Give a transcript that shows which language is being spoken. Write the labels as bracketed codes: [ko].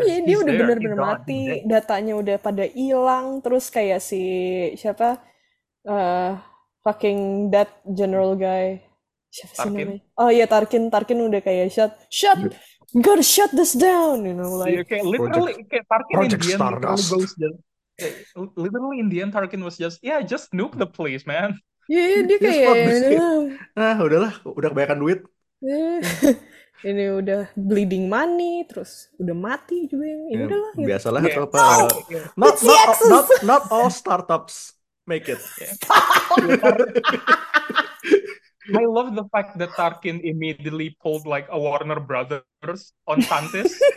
[id] yeah, dia udah benar-benar mati, datanya udah pada hilang, terus kayak si siapa [en] fucking that general guy [id] siapa sih namanya? Oh iya, Tarkin udah kayak [en] shut, yeah. Gotta shut this down, you know, like okay, literally project, Tarkin project in the end goes literally in the end Tarkin was just nuke the place, man. [id] Iya, dia kayak udahlah, udah kebanyakan duit. Ini udah [en] bleeding money, [id] terus udah mati juga yang ini udah lah. Biasalah atau apa? No! [en] Not all startups make it. Yeah. I love the fact that Tarkin immediately pulled like a Warner Brothers on Santis.